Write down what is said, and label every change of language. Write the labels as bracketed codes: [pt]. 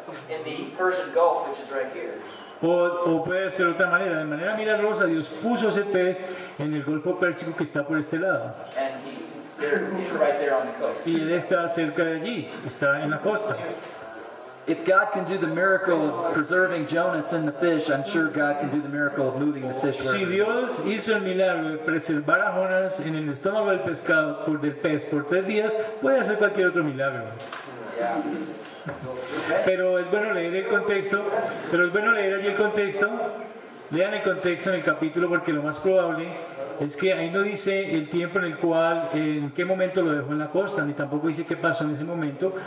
[en] in the Persian Gulf, which is right here. [es] O puede ser otra manera. De manera milagrosa, Dios puso ese pez en el Golfo Pérsico que está por este lado. [en] And he's right there on the coast. [es] Y él está cerca de allí. Está en la costa. [en] If God can do the miracle of preserving Jonas in the fish, I'm sure God can do the miracle of moving the fish. [es] Si Dios hizo el milagro de preservar a Jonas en el estómago del pescado por del pez por tres días, puede hacer cualquier otro milagro. [en] Yeah. [es] Pero es bueno leer el contexto. Pero es bueno leer allí el contexto. Lean el contexto en el capítulo, porque lo más probable es que ahí no dice el tiempo en el cual, en qué momento lo dejó en la costa, ni tampoco dice qué pasó en ese momento.